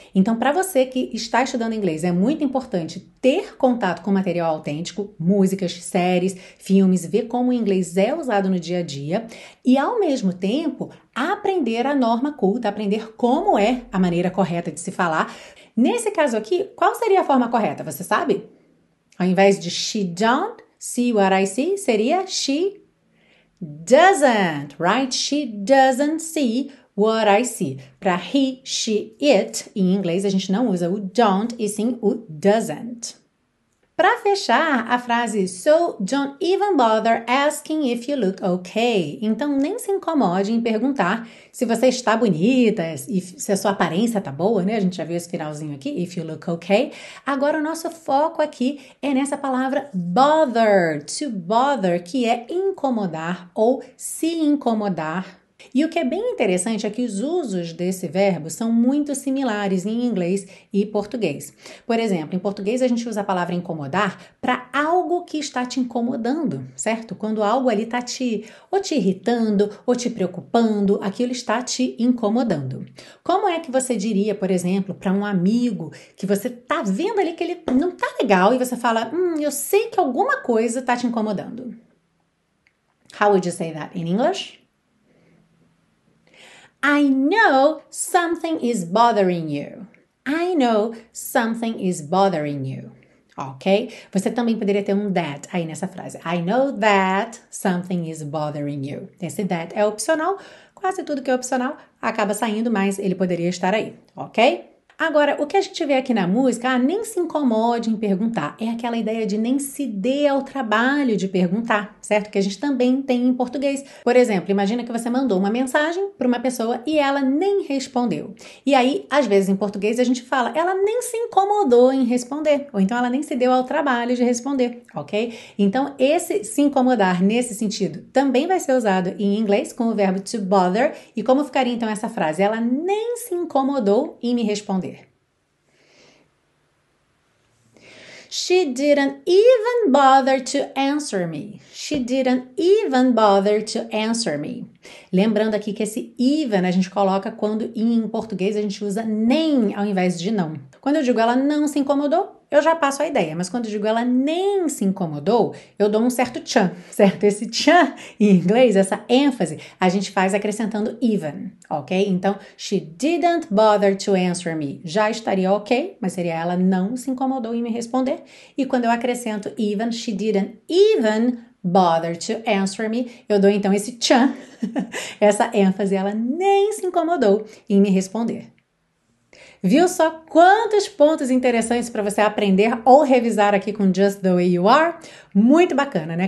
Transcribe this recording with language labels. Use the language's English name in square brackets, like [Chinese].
[Portuguese] Então, para você que está estudando inglês, é muito importante ter contato com material autêntico, músicas, séries, filmes, ver como o inglês é usado no dia a dia e, ao mesmo tempo, aprender a norma culta, aprender como é a maneira correta de se falar. Nesse caso aqui, qual seria a forma correta? Você sabe? Ao invés de [English] she don't see what I see, [Portuguese] seria [English] she doesn't, right? She doesn't see what I see. [Portuguese] Para he, she, it, em inglês, a gente não usa o don't e sim o doesn't. Para fechar a frase, [English] so don't even bother asking if you look okay. [Portuguese] Então nem se incomode em perguntar se você está bonita e se a sua aparência tá boa, né? A gente já viu esse finalzinho aqui, [English] if you look okay. [Portuguese] Agora o nosso foco aqui é nessa palavra bother, to bother, que é incomodar ou se incomodar. E o que é bem interessante é que os usos desse verbo são muito similares em inglês e português. Por exemplo, em português a gente usa a palavra incomodar para algo que está te incomodando, certo? Quando algo ali está te ou te irritando ou te preocupando, aquilo está te incomodando. Como é que você diria, por exemplo, para um amigo que você está vendo ali que ele não está legal e você fala, eu sei que alguma coisa está te incomodando? [English] How would you say that in English? I know something is bothering you. I know something is bothering you. Ok? [Portuguese] Você também poderia ter um that aí nessa frase. [English] I know that something is bothering you. [Portuguese] Esse that é opcional. Quase tudo que é opcional acaba saindo, mas ele poderia estar aí. Ok? Agora, o que a gente vê aqui na música, nem se incomode em perguntar. É aquela ideia de nem se dê ao trabalho de perguntar, certo? Que a gente também tem em português. Por exemplo, imagina que você mandou uma mensagem para uma pessoa e ela nem respondeu. E aí, às vezes em português, a gente fala, ela nem se incomodou em responder. Ou então, ela nem se deu ao trabalho de responder, ok? Então, esse se incomodar nesse sentido também vai ser usado em inglês com o verbo to bother. E como ficaria então essa frase? Ela nem se incomodou em me responder. [English] She didn't even bother to answer me. She didn't even bother to answer me. [Portuguese] Lembrando aqui que esse even a gente coloca quando em português a gente usa nem ao invés de não. Quando eu digo ela não se incomodou, eu já passo a ideia, mas quando eu digo ela nem se incomodou, eu dou um certo tchan, certo? Esse tchan em inglês, essa ênfase, a gente faz acrescentando even, ok? [English] Então, she didn't bother to answer me. [Portuguese] Já estaria ok, mas seria ela não se incomodou em me responder. E quando eu acrescento even, [English] she didn't even bother to answer me, [Portuguese] eu dou então esse tchan, essa ênfase, ela nem se incomodou em me responder. Viu só quantos pontos interessantes para você aprender ou revisar aqui com Just the Way You Are? Muito bacana, né?